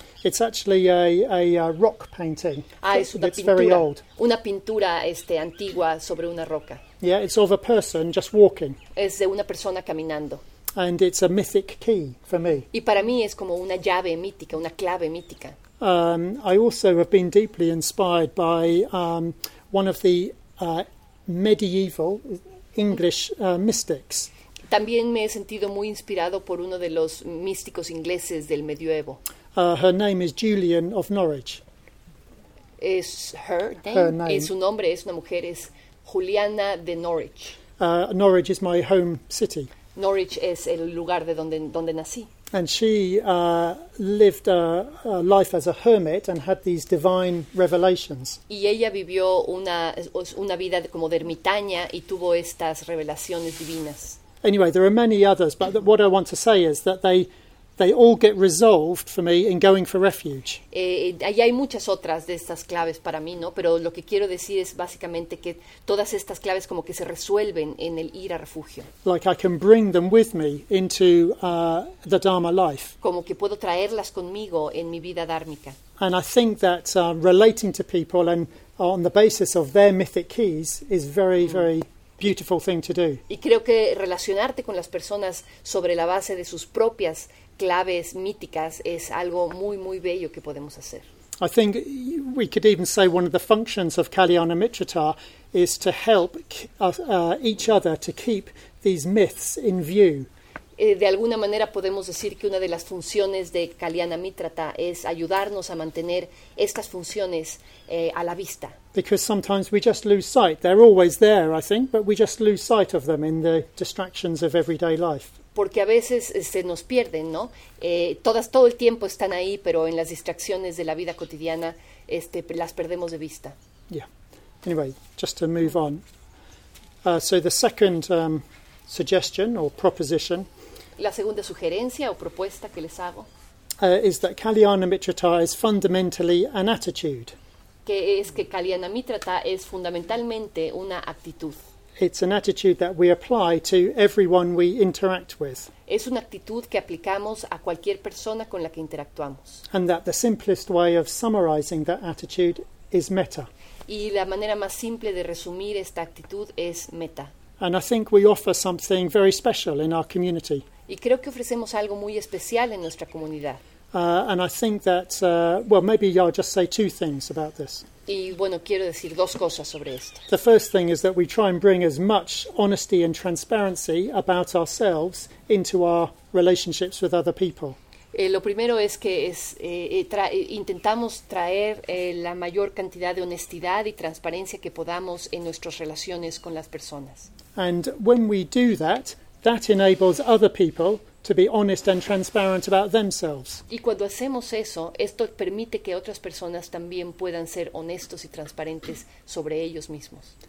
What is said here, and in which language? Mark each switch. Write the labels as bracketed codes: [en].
[en] It's actually a rock painting. [es] Es una pintura, [en] very old. [es] Una pintura antigua sobre una roca. [en] Yeah, it's of a person just walking. [es] Es de una persona caminando. [en] And it's a mythic key for me. [es] Y para mí es como una llave mítica, una clave mítica. [en] I also have been deeply inspired by one of the medieval English mystics. [es] También me he sentido muy inspirado por uno de los místicos ingleses del medioevo. [en] Her name is Julian of Norwich. Is her name? Her name. [es] Su nombre es una mujer, es Juliana de Norwich. [en] Norwich is my home city. [es] Norwich es el lugar de donde nací. [en] And she lived a life as a hermit and had these divine revelations. [es] Y ella vivió una vida como de ermitaña y tuvo estas revelaciones divinas. [en] Anyway, there are many others, but what I want to say is that they all get resolved for me in going for refuge. [es] Ahí hay muchas otras de estas claves para mí, ¿no? Pero lo que quiero decir es básicamente que todas estas claves como que se resuelven en el ir a refugio. [en] Like I can bring them with me into the Dharma life. [es] Como que puedo traerlas conmigo en mi vida dármica. [en] And I think that relating to people and on the basis of their mythic keys is very, very beautiful thing to do. [es] Y creo que relacionarte con las personas sobre la base de sus propias claves míticas es algo muy, muy bello que podemos hacer. [en] I think we could even say one of the functions of Kalyanamitrita is to help each other to keep these myths in view. [es] De alguna manera podemos decir que una de las funciones de Kalyanamitrita es ayudarnos a mantener estas funciones a la vista. [en] Because sometimes we just lose sight. They're always there, I think, but we just lose sight of them in the distractions of everyday life. [es] Porque a veces se nos pierden, ¿no? Todo el tiempo están ahí, pero en las distracciones de la vida cotidiana las perdemos de vista. [en] Yeah. Anyway, just to move on. So the second suggestion or proposition. [es] La segunda sugerencia o propuesta que les hago. [en] Is that Kalyanamitrita is fundamentally an attitude. [es] Que es que Kalyanamitrita es fundamentalmente una actitud. [en] It's an attitude that we apply to everyone we interact with. [es] Es una actitud que aplicamos a cualquier persona con la que interactuamos. [en] And that the simplest way of summarizing that attitude is metta. [es] Y la manera más simple de resumir esta actitud es metta. [en] And I think we offer something very special in our community. [es] Y creo que ofrecemos algo muy especial en nuestra comunidad. [en] And I think that, maybe I'll just say 2 things about this. [es] Y bueno, quiero decir 2 cosas sobre esto. [en] The first thing is that we try and bring as much honesty and transparency about ourselves into our relationships with other people. [es] Lo primero es que intentamos traer la mayor cantidad de honestidad y transparencia que podamos en nuestras relaciones con las personas. [en] And when we do that, that enables other people to be honest and transparent about themselves. [es] Y cuando hacemos eso, esto permite que otras personas también puedan ser honestos y transparentes sobre ellos mismos.